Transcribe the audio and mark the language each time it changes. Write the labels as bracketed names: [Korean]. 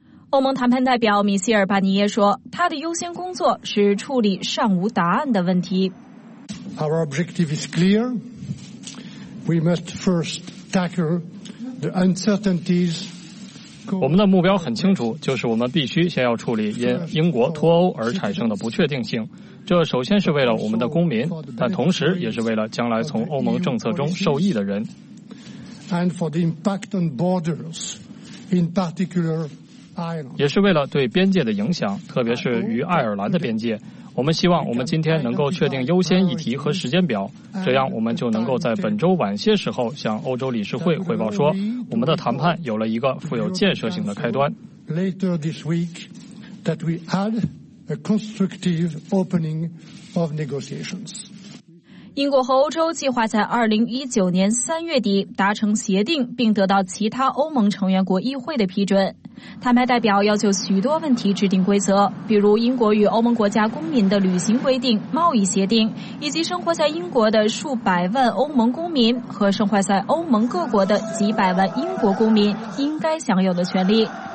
[Chinese] 欧盟谈判代表米歇尔·巴尼耶说，他的优先工作是处理尚无答案的问题。 [English] Our objective is clear. We must first tackle the uncertainties. [Chinese] 我们的目标很清楚，就是我们必须先要处理因英国脱欧而产生的不确定性，这首先是为了我们的公民，但同时也是为了将来从欧盟政策中受益的人。 [English] And for the impact on borders, in particular Ireland. [Chinese] 也是为了对边界的影响，特别是与爱尔兰的边界。我们希望我们今天能够确定优先议题和时间表，这样我们就能够在本周晚些时候向欧洲理事会汇报说，我们的谈判有了一个富有建设性的开端。 [English] Later this week, that we had a constructive opening of negotiations. [Chinese] 英国和欧洲计划在2019年3月底达成协定，并得到其他欧盟成员国议会的批准。谈判代表要求许多问题制定规则，比如英国与欧盟国家公民的旅行规定、贸易协定，以及生活在英国的数百万欧盟公民和生活在欧盟各国的几百万英国公民应该享有的权利。